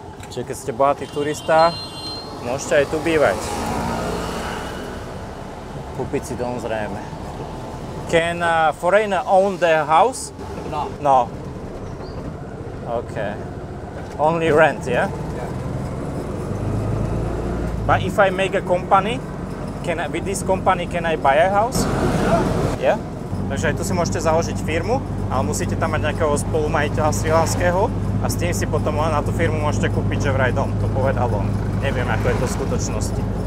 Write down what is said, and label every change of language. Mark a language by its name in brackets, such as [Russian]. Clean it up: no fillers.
[Slovak] Čiže keď ste bohatý turista, môžete aj tu bývať. Kúpiť si dom zrejme. [English] Can a foreigner own the house? No. No. OK. Only rent, yeah? Yeah. But if I make a company, can I, with this company can I buy a house? Yeah. Yeah? [Slovak] Takže aj tu si môžete založiť firmu, ale musíte tam mať nejakého spolumajiteľa srilanského. A s tým si potom len na tú firmu môžete kúpiť, že vraj dom, to povedal on. Neviem, ako je to v skutočnosti.